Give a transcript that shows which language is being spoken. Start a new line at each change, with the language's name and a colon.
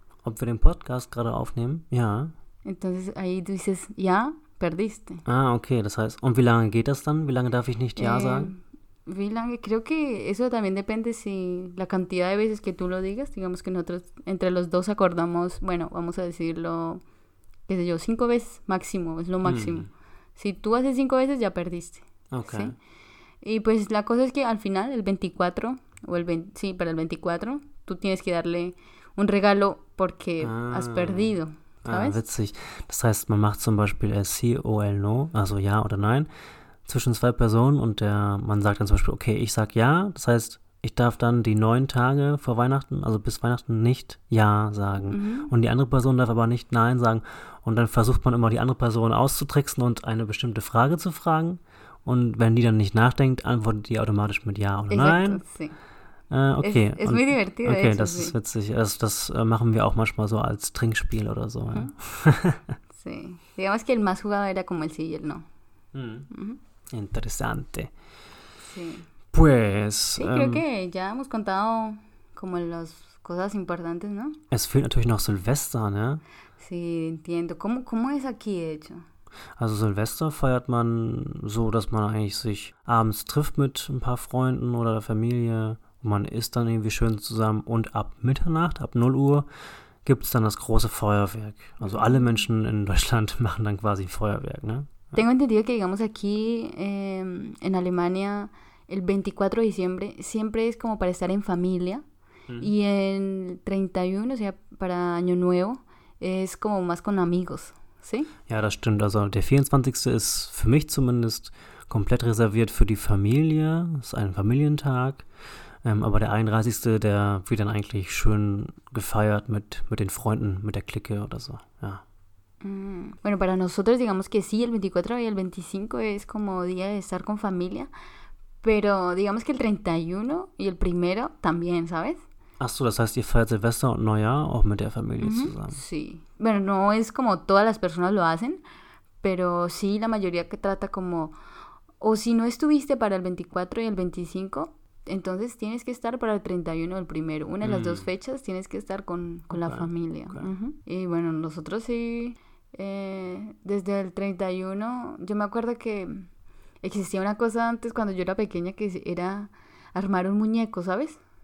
German: Ob wir den Podcast gerade aufnehmen? Ja.
Spanish: Entonces ahí du dices, ja, perdiste.
German: Ah, okay, das heißt, und wie lange geht das dann? Wie lange darf ich nicht ja sagen?
Spanish: Creo que eso también depende si la cantidad de veces que tú lo digas, digamos que nosotros entre los dos acordamos, bueno, vamos a decirlo, qué sé yo, 5 veces máximo, es lo máximo. Mm. Si tú haces 5 veces, ya perdiste. Okay. ¿Sí? Y pues la cosa es que al final, el 24, o el 20, sí, para el 24, tú tienes que darle un regalo porque has perdido. ¿Sabes?
German: Ah, witzig. Das heißt, man macht zum Beispiel
Spanish: el sí o el no,
German: also ja oder nein. Zwischen 2 Personen und der Mann sagt dann zum Beispiel, okay, ich sag ja, das heißt, ich darf dann die 9 Tage vor Weihnachten, also bis Weihnachten, nicht ja sagen. Mhm. Und die andere Person darf aber nicht nein sagen. Und dann versucht man immer, die andere Person auszutricksen und eine bestimmte Frage zu fragen. Und wenn die dann nicht nachdenkt, antwortet die automatisch mit ja oder nein. Okay.
Spanish: Es muy divertido.
German: Okay, das ist witzig. Also das machen wir auch manchmal so als Trinkspiel oder so. Mhm.
Spanish: Sí. Digamos que el más jugado era como el sí y el no. Mhm. Interesante. Sí. Pues... sí, creo que ya hemos contado como las cosas importantes, ¿no?
German: Es fehlt natürlich noch Silvester, ne?
Spanish: Sí, entiendo. ¿Cómo es aquí hecho?
German: Also Silvester feiert man so, dass man eigentlich sich abends trifft mit ein paar Freunden oder der Familie. Und man isst dann irgendwie schön zusammen. Und ab Mitternacht, ab 0 Uhr, gibt es dann das große Feuerwerk. Also alle Menschen in Deutschland machen dann quasi Feuerwerk, ne?
Spanish: Tengo entendido que, digamos, aquí en Alemania, el 24 de diciembre siempre es como para estar en familia. Mm. Y el 31, o sea, para Año Nuevo, es como más con amigos, ¿sí?
German: Ja, das stimmt. Also der 24. ist für mich zumindest komplett reserviert für die Familie. Es ist ein Familientag. Aber der 31., der wird dann eigentlich schön gefeiert mit den Freunden, mit der Clique oder so, ja.
Spanish: Bueno, para nosotros digamos que sí, el 24 y el 25 es como día de estar con familia, pero digamos que el 31 y el primero también, ¿sabes?
German: Achso, das heißt, ihr feiert Silvester und Neujahr auch mit der Familie mm-hmm. zusammen.
Spanish: Sí, bueno, no es como todas las personas lo hacen, pero sí, la mayoría que trata como, o si no estuviste para el 24 y el 25, entonces tienes que estar para el 31 o el primero. Una de las dos fechas tienes que estar con okay. la familia. Okay. Uh-huh. Y bueno, nosotros sí, desde el 31, yo me acuerdo que existía una cosa antes cuando yo era pequeña que era armar un muñeco, ¿sabes?